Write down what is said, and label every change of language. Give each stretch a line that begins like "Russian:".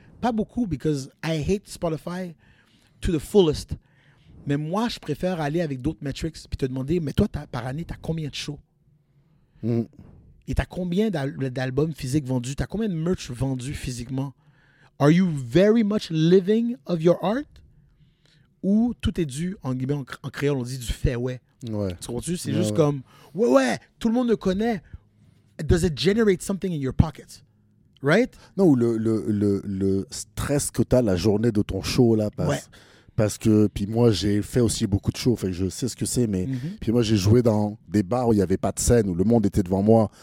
French: Pas beaucoup,
English: because I hate Spotify to the fullest.
French: Mais moi, je préfère aller avec d'autres metrics puis te demander, mais toi, par année, t'as combien de shows? Mm. Et t'as combien d'albums physiques vendus? T'as combien de merch vendus physiquement?
English: Are you very much living of your art?
French: Ou tout est dû, en guillemets, en créole, on dit du fait, ouais. Tu comprends-tu? C'est, ouais, juste, ouais, comme, ouais, ouais, tout le monde le connaît.
English: Does it generate something in your pocket? Right?
French: Non, ou le stress que tu as la journée de ton show, là. Parce, ouais, parce que, puis moi, j'ai fait aussi beaucoup de shows, fait que je sais ce que c'est, mais. Mm-hmm. Puis moi, j'ai joué dans des bars où il n'y avait pas de scène, où le monde était devant moi.